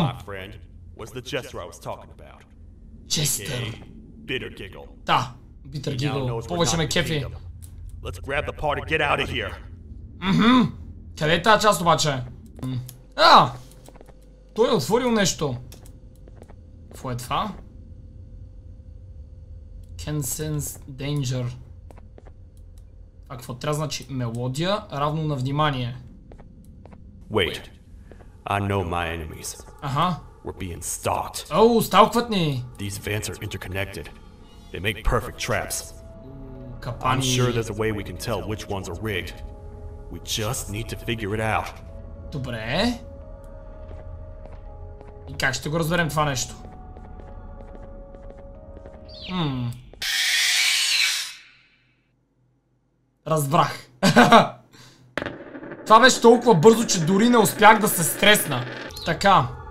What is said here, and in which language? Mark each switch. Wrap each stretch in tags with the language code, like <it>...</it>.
<en>Now, my friend, was the jester I was talking about. Jester. Bitter giggle. Та, bitter giggle.</en> <bg>Повече ме кефи.</bg> <en>Let's grab the party, get out of here.</en> <bg>Мхм, къде е тази част обаче? А! Той е отворил нещо. Кво е това?</bg> <en>Can sense danger.</en> <bg>А какво трябва значи мелодия равно на внимание?</bg> <en>Wait, I know my enemies. Аха. We're being stalked.</en> <bg>Оу, сталкват ни!</bg> <en>These vents are interconnected. They make perfect traps.</en> <bg>Капани.</bg> <en>I'm sure there's a way we can tell which ones are rigged. We just need to figure it out.</en> <bg>Добре. И как ще го разберем това нещо? Разбрах. Това беше толкова бързо, че дори не успях да се стресна. Така.</bg>